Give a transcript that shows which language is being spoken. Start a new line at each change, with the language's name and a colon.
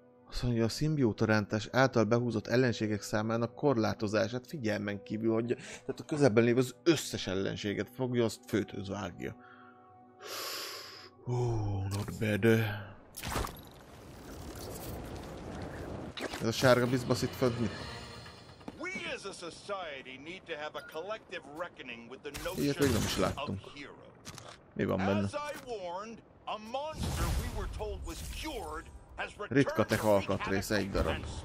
Hungarian: Azt mondja, a szimbiótarántás által behúzott ellenségek számának korlátozását figyelmen kívül hagyja. Tehát a közelben lévő az összes ellenséget fogja, azt főtőz vágja.
English: Not bad.
Hungarian: Ez a sárga bizbasz itt fönt mi?
English: We as a society need to have a collective reckoning with the notion of hero.
Hungarian: Mi van benne?
English: As I warned, a monster we were told was cured.
Hungarian: Ritka tech alkatrész, egy darab.